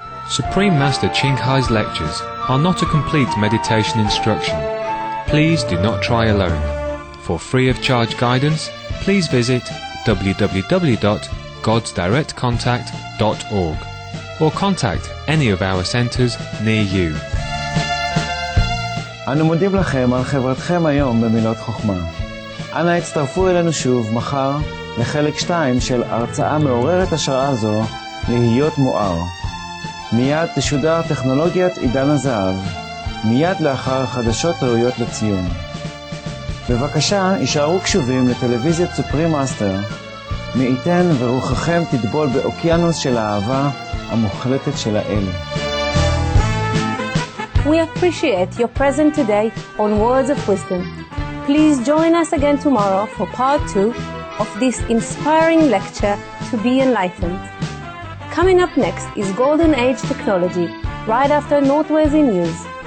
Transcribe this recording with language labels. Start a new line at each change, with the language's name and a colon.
English: Supreme Master Ching-Hai's lectures are not a complete meditation instruction. Please do not try alone. For free of charge guidance, please visit www.godsdirectcontact.org or contact any of our centers near you.
Hebrew: אנו מודים לכם על חברתכם היום במילות חוכמה. אנא הצטרפו אלינו שוב מחר לחלק 2 של הרצאה מעוררת השראה זו להיות מואר. מיד תשודר טכנולוגיית עידן הזהב, מיד לאחר חדשות ראויות לציון. בבקשה, יישארו קשובים לטלוויזיית סופרים מאסטר, מייתן ורוחכם תטבול באוקיינוס של האהבה המוחלטת של האל.
English: We appreciate your presence today on Words of Wisdom. Please join us again tomorrow for part 2 of this inspiring lecture to be enlightened. Coming up next is Golden Age Technology, right after Noteworthy News.